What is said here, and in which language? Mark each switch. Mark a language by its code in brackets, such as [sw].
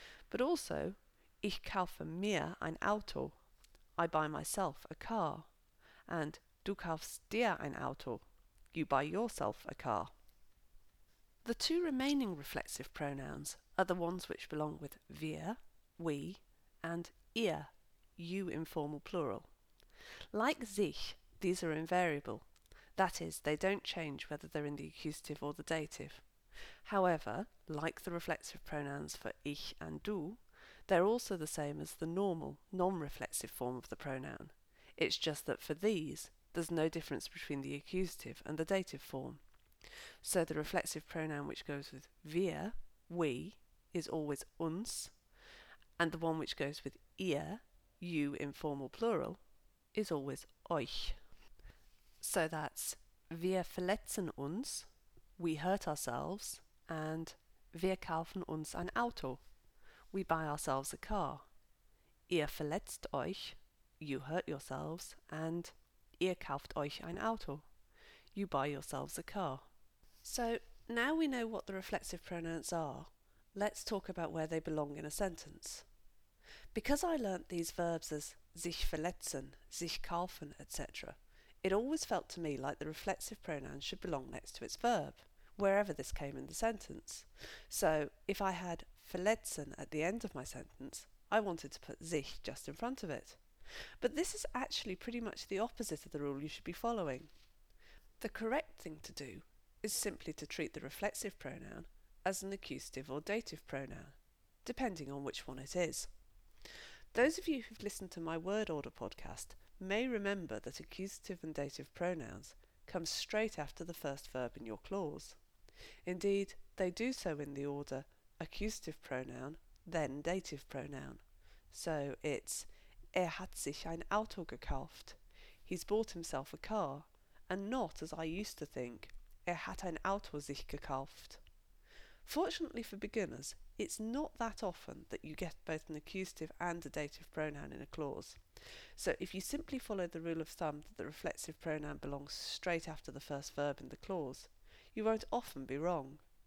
[en] But also, [de] ich kaufe mir ein Auto, [en] I buy myself a car, and [de] du kaufst dir ein Auto, [en] you buy yourself a car. The two remaining reflexive pronouns are the ones which belong with wir, we, and ihr, you informal plural. Like sich, these are invariable, that is, they don't change whether they're in the accusative or the dative. However, like the reflexive pronouns for ich and du, they're also the same as the normal, non-reflexive form of the pronoun. It's just that for these, there's no difference between the accusative and the dative form. So the reflexive pronoun which goes with wir, we, is always uns, and the one which goes with ihr, you informal plural, is always euch. So that's [de] wir verletzen uns, [en] we hurt ourselves, and [de] wir kaufen uns ein Auto, [en] we buy ourselves a car. [de] Ihr verletzt euch, [en] you hurt yourselves, and [de] ihr kauft euch ein Auto, [en] you buy yourselves a car. So now we know what the reflexive pronouns are, let's talk about where they belong in a sentence. Because I learnt these verbs as [de] sich verletzen, sich kaufen, [en] etc., it always felt to me like the reflexive pronoun should belong next to its verb, wherever this came in the sentence. So if I had verletzen at the end of my sentence, I wanted to put sich just in front of it. But this is actually pretty much the opposite of the rule you should be following. The correct thing to do is simply to treat the reflexive pronoun as an accusative or dative pronoun, depending on which one it is. Those of you who've listened to my word order podcast may remember that accusative and dative pronouns come straight after the first verb in your clause. Indeed, they do so in the order accusative pronoun, then dative pronoun. So it's [de] hat sich ein Auto gekauft, [en] he's bought himself a car, and not, as I used to think, [de] hat ein Auto sich gekauft. [en] Fortunately for beginners, it's not that often that you get both an accusative and a dative pronoun in a clause. So if you simply follow the rule of thumb that the reflexive pronoun belongs straight after the first verb in the clause, you won't often be wrong.